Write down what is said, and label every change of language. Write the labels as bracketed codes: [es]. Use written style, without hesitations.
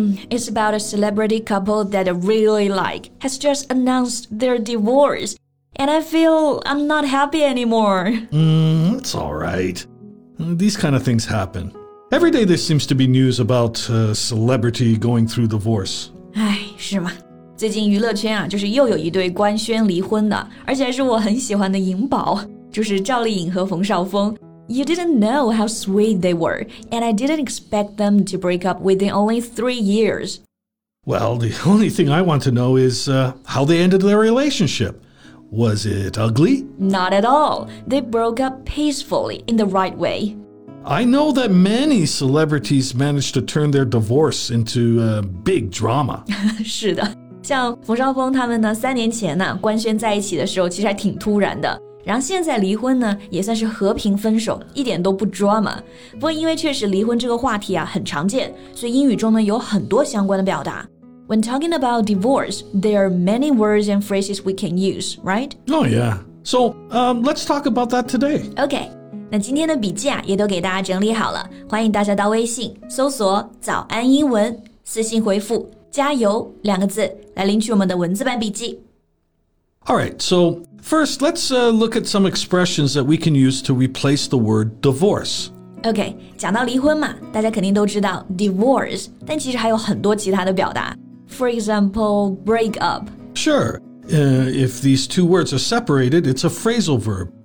[en] It's about a celebrity couple that I really like has just announced their divorce, and I feel I'm not happy anymore. It's all right. These kind of things happen. Every day there seems to be news about a celebrity going through divorce. [zh] 哎，是吗？最近娱乐圈啊，就是又有一对官宣离婚的，而且还是我很喜欢的颖宝，就是赵丽颖和冯绍峰。 [en] You didn't know how sweet they were, and I didn't expect them to break up within only 3 years. Well, the only thing I want to know is how they ended their relationship. Was it ugly? Not at all. They broke up peacefully, in the right way. I know that many celebrities managed to turn their divorce into a big drama. [zh] 是的，像冯绍峰他们呢，三年前呢，官宣在一起的时候，其实还挺突然的。然后现在离婚呢也算是和平分手，一点都不 drama。不过因为确实离婚这个话题啊很常见，所以英语中呢有很多相关的表达。 [en] When talking about divorce, there are many words and phrases we can use, right? Oh yeah, so let's talk about that today. [zh] Okay, 那今天的笔记啊也都给大家整理好了，欢迎大家到微信搜索早安英文，私信回复加油两个字来领取我们的文字版笔记。 [en] Alright, so first, let's look at some expressions that we can use to replace the word divorce. [zh] Okay, 讲到离婚嘛，大家肯定都知道 divorce, 但其实还有很多其他的表达。 [en] For example, break up. Sure, if these two words are separated, it's a phrasal verb.